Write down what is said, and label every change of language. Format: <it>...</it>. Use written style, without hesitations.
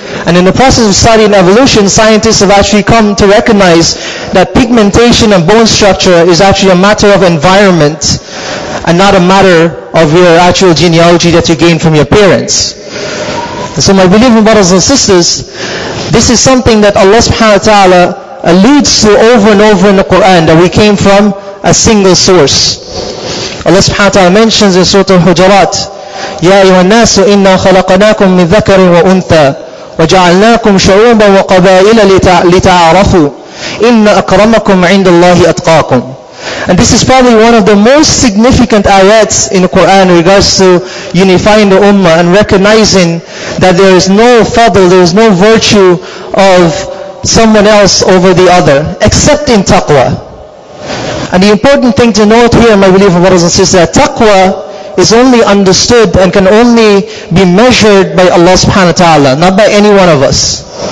<en>And in the process of studying evolution, scientists have actually come to recognize that pigmentation and bone structure is actually a matter of environment and not a matter of your actual genealogy that you gain from your parents. And so my believing brothers and sisters, this is something that Allah subhanahu wa ta'ala alludes to over and over in the Quran, that we came from a single source. Allah subhanahu wa ta'ala mentions in Surah Al-Hujurat,</en> <ar>يَا أَيُّهَا النَّاسُ إِنَّا خَلَقَنَاكُمْ مِنْ ذَكَرٍ وَأُنْثَى وَجَعَلْنَاكُمْ شُعُوبًا وَقَبَائِلَ لِتَعَارَفُوا إِنَّ أَكْرَمَكُمْ عِنْدَ اللَّهِ أَتْقَاكُمْ.</ar> <en>And this is probably one of the most significant ayats in the Quran in regards to unifying the ummah and recognizing that there is no fadl, there is no virtue of someone else over the other, except in taqwa. And the important thing to note here, my believing brothers and sisters, that taqwa is only understood and can only be measured by Allah subhanahu wa ta'ala, not by any one of us.</en>